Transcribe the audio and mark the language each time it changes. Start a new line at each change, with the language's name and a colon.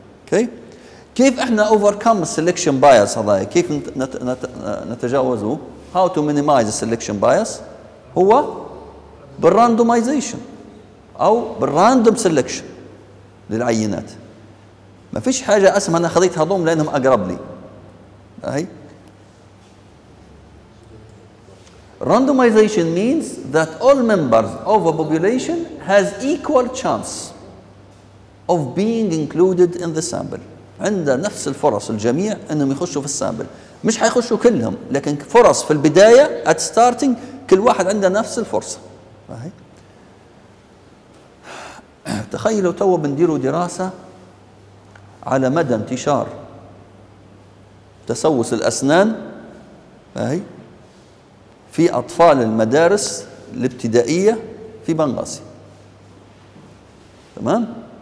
Arabic: اوكي كيف احنا اوفركم السلكشن بايس هذا، كيف نتجاوزه؟ هاو تو مينيمايز السلكشن بايس، هو بالراندومايزيشن او بالراندوم سلكشن للعينات. ما فيش حاجه اسمها انا خذيت هذوم لانهم اقرب لي.
English: هاي randomization means that all members of a population has equal chance of being included in the sample.
Arabic: عنده نفس الفرص الجميع انهم يخشوا في السامبل، مش حيخشوا كلهم، لكن فرص في البدايه at starting كل واحد عنده نفس الفرصه. هاي تخيلوا تو بنديروا دراسه على مدى انتشار تسوس الأسنان في أطفال المدارس الابتدائية في بنغازي، تمام؟